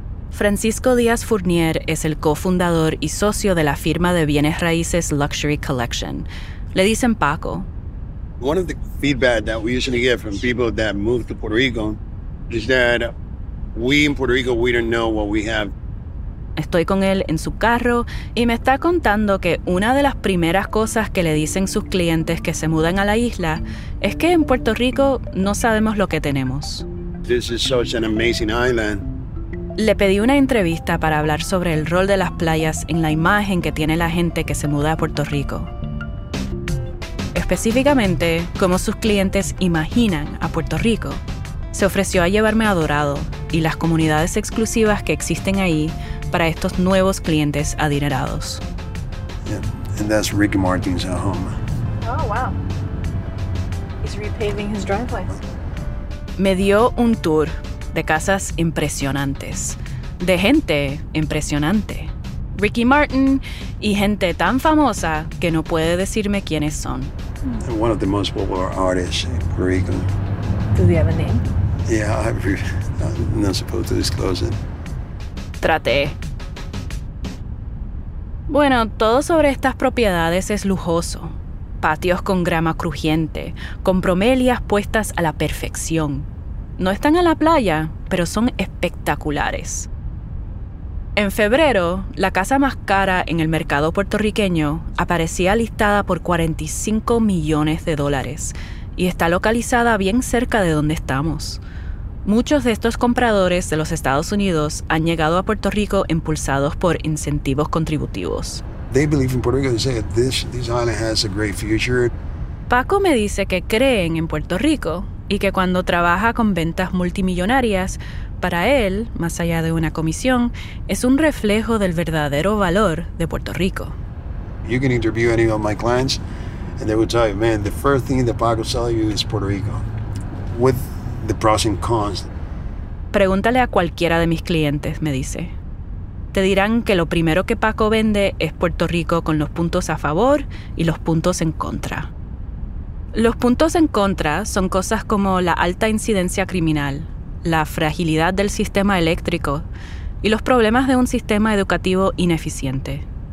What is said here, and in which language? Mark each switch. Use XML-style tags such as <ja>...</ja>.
<es>Francisco Díaz Fournier es el cofundador y socio de la firma de bienes raíces Luxury Collection. Le dicen Paco.</es> <en>One of the feedback that we usually get from people that move to Puerto Rico is that we in Puerto Rico, we don't know what we have.</en> <es>Estoy con él en su carro y me está contando que una de las primeras cosas que le dicen sus clientes que se mudan a la isla es que en Puerto Rico no sabemos lo que tenemos.</es> <en>This is such an amazing island.</en> <es>Le pedí una entrevista para hablar sobre el rol de las playas en la imagen que tiene la gente que se muda a Puerto Rico. Específicamente, cómo sus clientes imaginan a Puerto Rico. Se ofreció a llevarme a Dorado y las comunidades exclusivas que existen ahí para estos nuevos clientes adinerados.</es> <en>Yeah, and that's Ricky Martin's home. Oh, wow. He's repaving his driveways.</en> <es>Me dio un tour de casas impresionantes, de gente impresionante. Ricky Martin y gente tan famosa que no puede decirme quiénes son.</es> <en>One of the most popular artists in Puerto Rico. Do we have a name? Yeah, I'm not supposed to disclose it.</en> <es>Traté. Bueno, todo sobre estas propiedades es lujoso. Patios con grama crujiente, con bromelias puestas a la perfección. No están a la playa, pero son espectaculares. En febrero, la casa más cara en el mercado puertorriqueño aparecía listada por $45 millones y está localizada bien cerca de donde estamos. Muchos de estos compradores de los Estados Unidos han llegado a Puerto Rico impulsados por incentivos contributivos.</es> <en>They believe in Puerto Rico and say this island has a great future.</en> <es>Paco me dice que creen en Puerto Rico y que cuando trabaja con ventas multimillonarias, para él, más allá de una comisión, es un reflejo del verdadero valor de Puerto Rico.</es> <en>You can interview any of my clients, and they will tell you, man, the first thing that Paco sells you is Puerto Rico, with the pros and cons.</en> <es>Pregúntale a cualquiera de mis clientes, me dice. Te dirán que lo primero que Paco vende es Puerto Rico con los puntos a favor y los puntos en contra. Los puntos en contra son cosas como la alta incidencia criminal, la fragilidad del sistema eléctrico y los problemas de un sistema educativo ineficiente.</es>